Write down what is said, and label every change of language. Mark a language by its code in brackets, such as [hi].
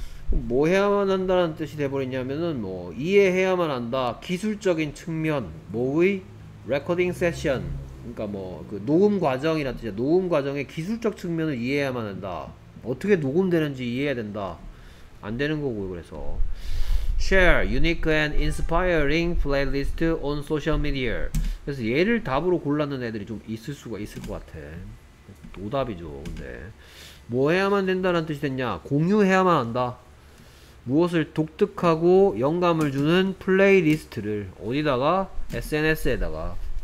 [ko] 뭐 해야만 한다는 뜻이 돼버리냐면은 뭐 이해해야만 한다. 기술적인 측면, 뭐의 recording session, 그러니까 뭐 그 녹음 과정이란 뜻이야. 녹음 과정의 기술적 측면을 이해해야만 한다. 어떻게 녹음되는지 이해해야 된다. 안 되는 거고요. 그래서. [en] Share unique and inspiring playlist on social media. [ko] 그래서 얘를 답으로 골랐는 애들이 좀 있을 수가 있을 것 같아. 노답이죠. 근데 뭐 해야만 된다는 뜻이 됐냐? 공유해야만 한다. 무엇을 독특하고 영감을 주는 플레이리스트를 어디다가? SNS에다가.